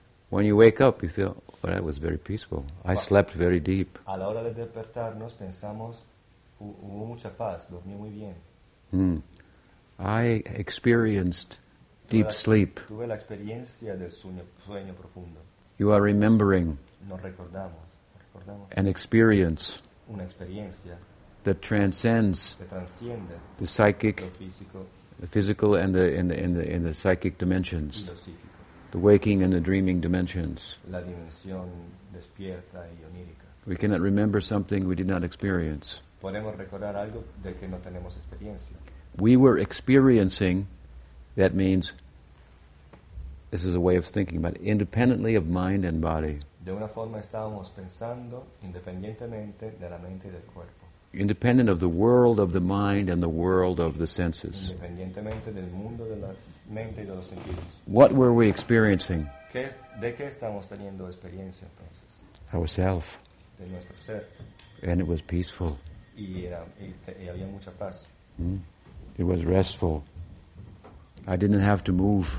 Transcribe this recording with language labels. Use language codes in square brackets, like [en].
[en] When you wake up, you feel, well, that was very peaceful. I slept very deep. [es] A la hora de despertarnos, pensamos, hubo mucha paz, dormí muy bien. [en] Hmm. I experienced deep sleep. [es] Tuve la experiencia del sueño profundo. [en] You are remembering. [es] Nos recordamos. Recordamos. [en] An experience. [es] Una experiencia. [en] That transcends the psychic, the physical, and the psychic dimensions, the waking and the dreaming dimensions. [es] La dimensión despierta y onírica. [en] We cannot remember something we did not experience. [es] Podemos recordar algo de que no tenemos experiencia. [en] We were experiencing, that means, this is a way of thinking, but independently of mind and body. [es] De una forma estábamos pensando independientemente de la mente y del cuerpo. [en] Independent of the world of the mind and the world of the senses. [es] Independientemente del mundo de la mente y de los sentidos. [en] What were we experiencing? [es] ¿De qué estamos teniendo experiencia entonces? [en] Ourself. [es] de nuestro ser. [en] And it was peaceful. [es] Y era, y había mucha paz. [en] It was restful. I didn't have to move.